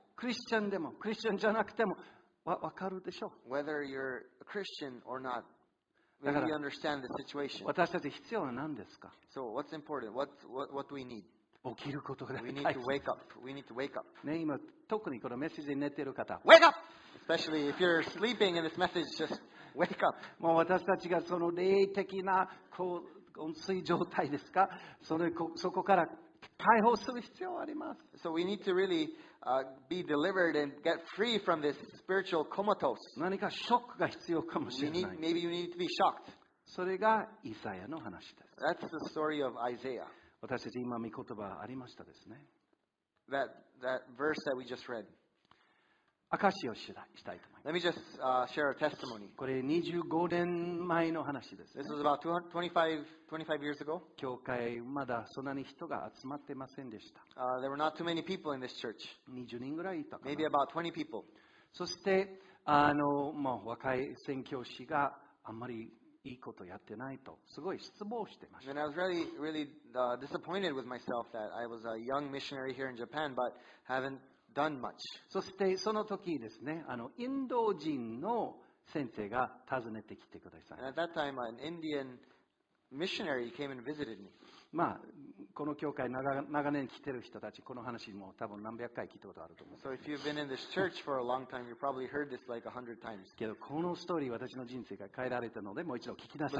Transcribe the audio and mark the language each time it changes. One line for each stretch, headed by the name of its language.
Japanese: クリスチャンでもクリスチャンじゃなくても分かるでしょう。
English: Whether you're a Christian or not, maybe you understand the situation.
Japanese: 私たち必要は何ですか。
English: So what's important? What do we need?
Japanese: 起きることが大
English: 事。We need to wake up. We need to wake up.
Japanese: ね、今特にこのメッセージに寝ている方、
English: wake up! Especially if you're sleeping in this message, just wake up.
Japanese: もう私たちがその霊的な昏睡状態ですか、そこから解放する必要があります。
English: So we need to really be delivered and get free from this spiritual comatose.
Japanese: 何かショックが必要かもしれない。
English: Maybe you need to be shocked.
Japanese: それがイザヤの話です。
English: That's the story of Isaiah.
Japanese: 私たち今見言葉ありましたですね。
English: That verse that we just read.
Japanese: 証をしたいと思います。
English: Let me just share a testimony.
Japanese: これ25年前の話です、ね。
English: This was about 25 years ago.
Japanese: 教会まだそんなに人が集まってませんでした。
English: There were not too many people in this church.
Japanese: 20人ぐらいいたかな。
English: Maybe about 20 people.
Japanese: そしてもう若い宣教師があんまりいいことやってないとすごい失望してました。
English: And I was really, really disappointed with myself that I was a young missionary here in Japan, but haven't done much.
Japanese: そしてその時ですね、インド人の先生が訪ねてきてください。
English: And at that time, an Indian missionary came and visited me.
Japanese: まあこの教会長年来てる人たちこの話も多分何百回聞いたことあると思う。
English: So if you've been in this church for a long time, you've probably heard this like 100 times.
Japanese: けどこのストーリー私の人生が変えられたのでもう一度聞きなさい。